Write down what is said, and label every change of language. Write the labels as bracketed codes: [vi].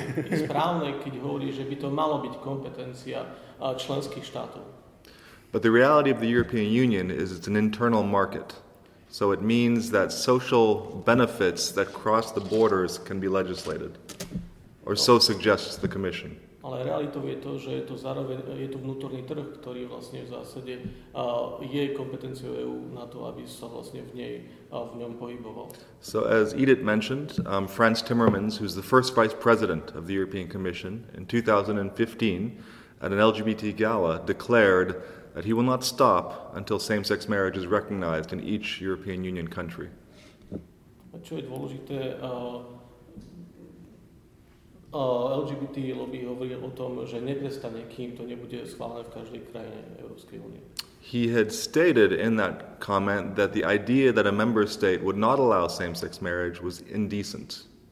[sk] Je správne, keď hovorí, že by to malo byť kompetencia členských štátov. [en] But the reality of the European Union is it's an internal market. So it means that social benefits that cross the borders can be legislated. Or so suggests the commission. [sk] Ale realitou je to, že je to vnútorný trh, ktorý vlastne v zásade je kompetenciou EU na to, aby sa vlastne v ňom pohyboval. [en] So as Edith mentioned, Frans Timmermans, who's the first vice president of the European Commission, in 2015 at an LGBT gala declared that he will not stop until same-sex marriage is recognized in each European Union country. [sk] A čo je dôležité, LGBT lobby hovorí o tom, že neprestane, kým to nebude schválené v každej krajine Európskej únie. [en] He had stated in that comment that the idea that a member state would not allow same-sex marriage was indecent.